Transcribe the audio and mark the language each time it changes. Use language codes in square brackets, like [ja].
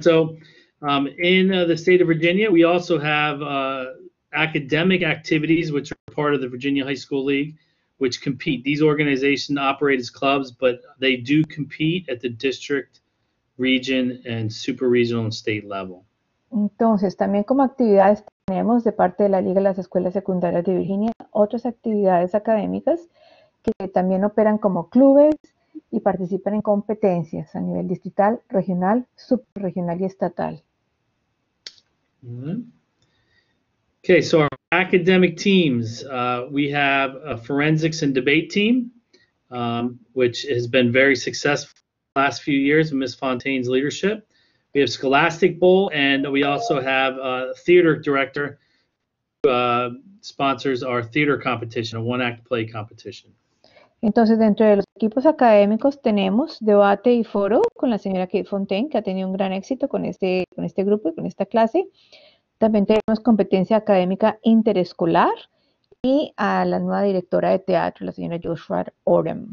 [en] So, in the state of Virginia, we also have academic activities, which are part of the Virginia High School League, which compete. These organizations operate as clubs, but they do compete at the district, region, and super regional and state level. [es] Entonces, también como actividades tenemos de parte de la Liga de las Escuelas Secundarias de Virginia, otras actividades académicas que también operan como clubes y participan en competencias a nivel distrital, regional, subregional y estatal. Mm-hmm. [en] Okay, so our academic teams, we have a forensics and debate team, which has been very successful the last few years in Ms. Fontaine's leadership. We have Scholastic Bowl, and we also have a theater director who sponsors our theater competition, a one-act play competition. [es] Entonces, dentro de los equipos académicos tenemos debate y foro con la señora Kate Fontaine, que ha tenido un gran éxito con este grupo y con esta clase. También tenemos competencia académica interescolar y a la nueva directora de teatro, la señora Joshua Orem.